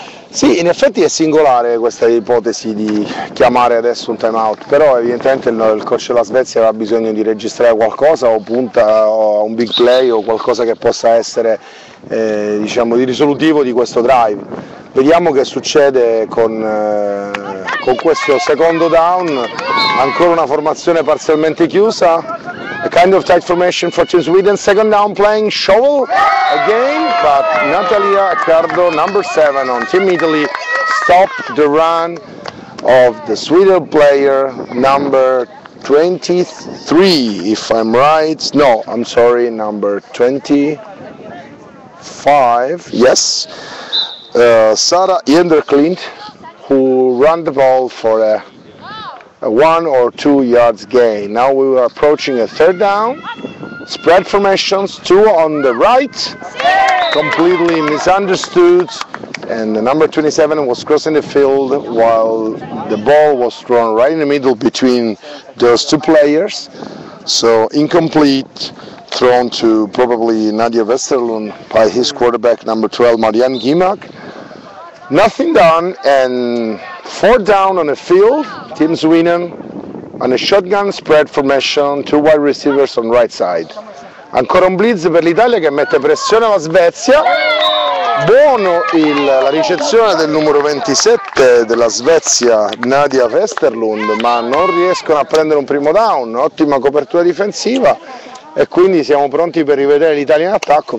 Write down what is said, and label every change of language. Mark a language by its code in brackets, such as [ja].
[it] Sì, in effetti è singolare questa ipotesi di chiamare adesso un time out, però evidentemente il coach della Svezia ha bisogno di registrare qualcosa, o punta a un big play o qualcosa che possa essere diciamo di risolutivo di questo drive. Vediamo che succede con questo secondo down. Ancora una formazione parzialmente chiusa, [en] a kind of tight formation for Team Sweden. Second down playing shovel again, but Natalia Accardo, number 7 on Team Italy, stopped the run of the Swedish player number 23, if I'm right. No, I'm sorry, number 25. Yes. Sara Enderklint, who ran the ball for a 1 or 2 yards gain. Now we are approaching a third down. Spread formations, two on the right, completely misunderstood. and the number 27 was crossing the field while the ball was thrown right in the middle between those two players. So incomplete, thrown to probably Nadia Westerlund by his quarterback number 12, Marianne Gimak. Nothing done, and four down on the field, Team Sweden, and a shotgun spread formation, two wide receivers on right side. [it] Ancora un blitz per l'Italia che mette pressione alla Svezia. Buono il, la ricezione del numero 27 della Svezia, Nadia Westerlund, ma non riescono a prendere un primo down, ottima copertura difensiva, e quindi siamo pronti per rivedere l'Italia in attacco.